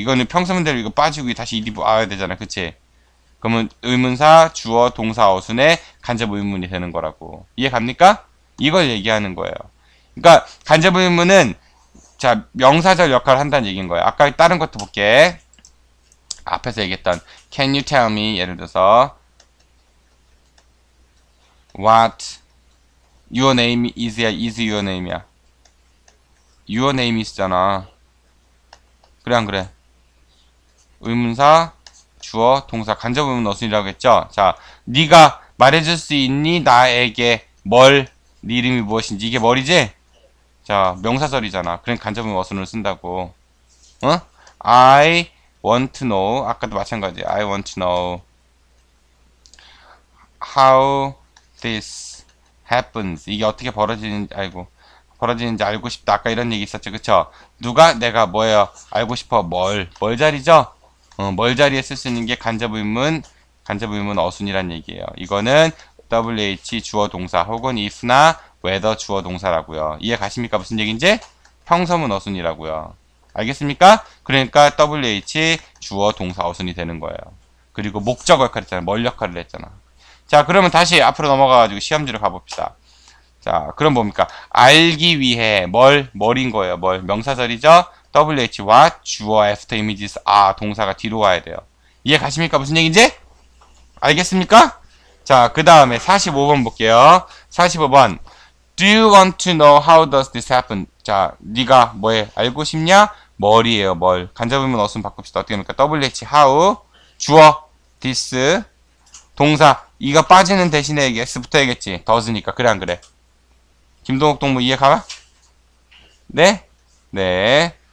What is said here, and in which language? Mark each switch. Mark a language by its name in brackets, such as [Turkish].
[Korean] 이거는 평서문대로 이거 빠지고 다시 이리 와야 되잖아. 그치? 그러면 의문사, 주어, 동사, 어순의 간접 의문문이 되는 거라고. 이해 갑니까? 이걸 얘기하는 거예요. 그러니까 간접 의문문은 자, 명사절 역할을 한다는 얘기인 거예요. 아까 다른 것도 볼게. 앞에서 얘기했던 [English] Can you tell me? [Korean] 예를 들어서 [English] What your name is야? Is your name야? Your name is잖아. [Korean] 그래 안 그래? 의문사, 주어, 동사, 간접 의문 어순이라고 했죠? 자, 네가 말해줄 수 있니? 나에게 뭘? 네 이름이 무엇인지. 이게 머리지? 자, 명사절이잖아. 그럼 간접 의문 어순을 쓴다고. [English] 응? I want to know. [Korean] 아까도 마찬가지. [English] I want to know how this happens. [Korean] 이게 어떻게 벌어지는지 알고 싶다. 아까 이런 얘기 있었죠. 그쵸? 누가, 내가, 뭐예요? 알고 싶어. 뭘. 뭘 자리죠? 뭘 자리에 쓸수 있는 게 간접 의문 어순이란 얘기예요. 이거는 WH 주어 동사 혹은 if나 whether 주어 동사라고요. 이해 가십니까? 무슨 얘기인지? 평서문 어순이라고요. 알겠습니까? 그러니까 WH 주어 동사 어순이 되는 거예요. 그리고 목적 역할 했잖아. 뭘 역할을 했잖아. 자, 그러면 다시 앞으로 넘어가가지고 시험지로 가봅시다. 자, 그럼 뭡니까? 알기 위해 뭘, 뭘인 거예요. 뭘. 명사절이죠? WH what 주어 after images 아 동사가 뒤로 와야 돼요. 이해 가십니까? 무슨 얘기인지? 알겠습니까? 자, 그 다음에 45번 볼게요. 45번. [English] Do you want to know how does this happen? [Korean] 자, 네가 뭐해? 알고 싶냐? 뭘이에요, 뭘. 간접 의문 어순 바꿉시다. 어떻게 합니까? WH, how. 주어, this. 동사, 이거 빠지는 대신에 yes부터 해야겠지. does니까. 그래, 안 그래? 김동욱 동무 이해 가? 네? 네.